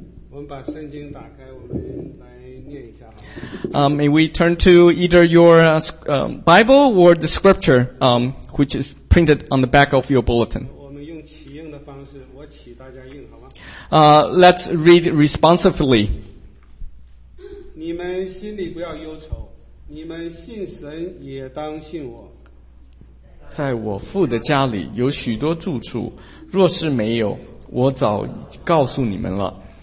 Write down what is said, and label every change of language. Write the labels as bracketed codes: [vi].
[zh] 我们把圣经打开，我们来念一下。 [en] May we turn to either your Bible or the scripture, which is printed on the back of your bulletin. [zh] 我们用起应的方式，我起大家应，好吗？ [en] Let's read responsively. [zh] 你们心里不要忧愁。你们信神也当信我。在我父的家里有许多住处，若是没有，我早告诉你们了。